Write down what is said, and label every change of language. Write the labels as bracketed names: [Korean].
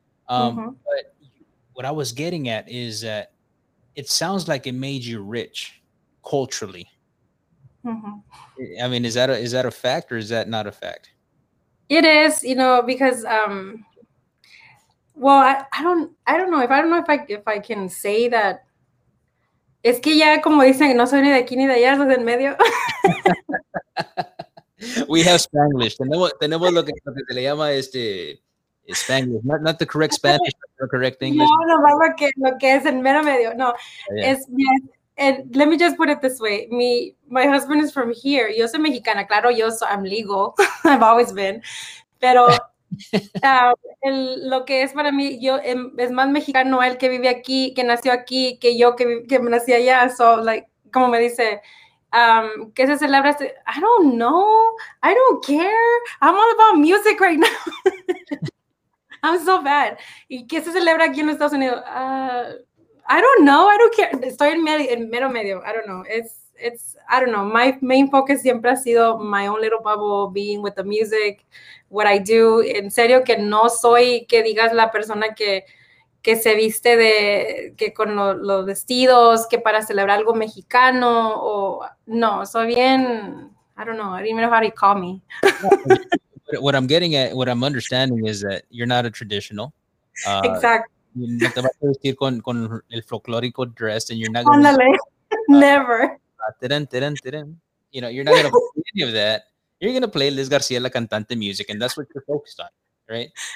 [English] But what I was getting at is that it sounds like it made you rich culturally. Mm-hmm. I mean, is that a fact or is that not a fact? It is, you know, because, I don't know if I can say that. [Spanish] Es que ya como dicen, no soy ni de aquí ni de allá, soy del medio. We have Spanglish. Tenemos lo que se le llama este... [English] Spanish, not the correct Spanish, but the correct English. [Spanish] No, lo que es en mero medio. No, yeah. [English] And let me just put it this way. My husband is from here. Yo soy mexicana, claro, I'm legal. I've always been. [Spanish] Pero lo que es para mí, yo es más mexicano el que vive aquí, que nació aquí, que yo que nací allá. So, like, como me dice... ¿qué se celebra? [English] I don't know. I don't care. I'm all about music right now. I'm so bad. ¿Y qué se celebra aquí en Estados Unidos? I don't know. I don't care. Estoy en mero medio. I don't know. It's I don't know. My main focus siempre ha sido my own little bubble, being with the music, what I do. [Spanish] En serio que no soy que digas la persona que se viste de que con los vestidos, que para celebrar algo mexicano o no. Soy bien. [English] I don't know. I didn't know how to call me. What I'm getting at, what I'm understanding is that you're not a traditional. Exactly. [Spanish] No te vas a vestir con el folclórico dress and you're not [English] going to. Never. You know, you're not going to play any of that. You're going to play Liz García, la cantante music, and that's what you're focused on, right?